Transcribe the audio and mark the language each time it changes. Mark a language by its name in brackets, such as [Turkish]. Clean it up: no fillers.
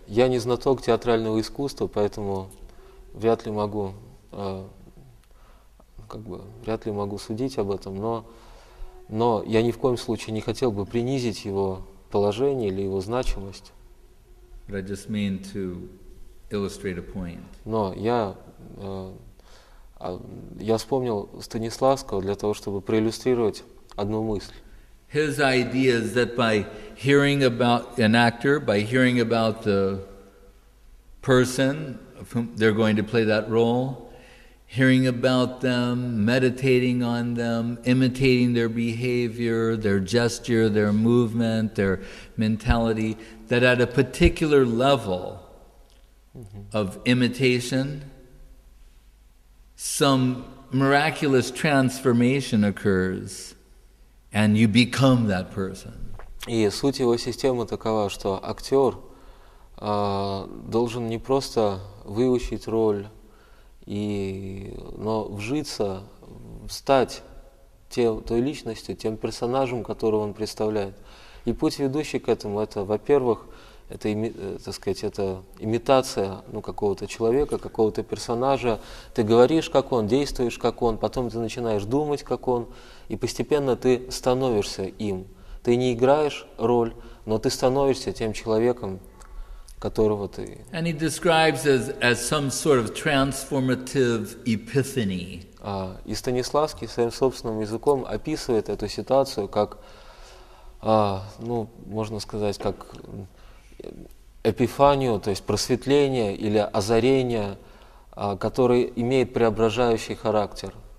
[Russian] Я не знаток театрального искусства, поэтому вряд ли могу вряд ли могу судить об этом, но я ни в коем случае не хотел бы принизить его положение или его значимость. [English] I just mean to illustrate a point. [Russian] Но я вспомнил Станиславского для того, чтобы проиллюстрировать одну мысль. [English] His idea is that by hearing about an actor, by hearing about the person of whom they're going to play that role, hearing about them, meditating on them, imitating their behavior, their gesture, their movement, their mentality, that at a particular level of imitation, some miraculous transformation occurs, and you become that person. [Russian] И суть его системы такова, что актер должен не просто выучить роль, но вжиться, стать той личностью, тем персонажем, которого он представляет. И путь, ведущий к этому, это, во-первых, это, так сказать, это имитация какого-то человека, какого-то персонажа. Ты говоришь, как он, действуешь, как он, потом ты начинаешь думать, как он, и постепенно ты становишься им. Ты не играешь роль, но ты становишься тем человеком, которого ты. [English] And he describes as some sort of transformative epiphany. [Russian] И Станиславский своим собственным языком описывает эту ситуацию как, можно сказать, как эпифанию, то есть просветление или озарение, которое имеет преображающий характер.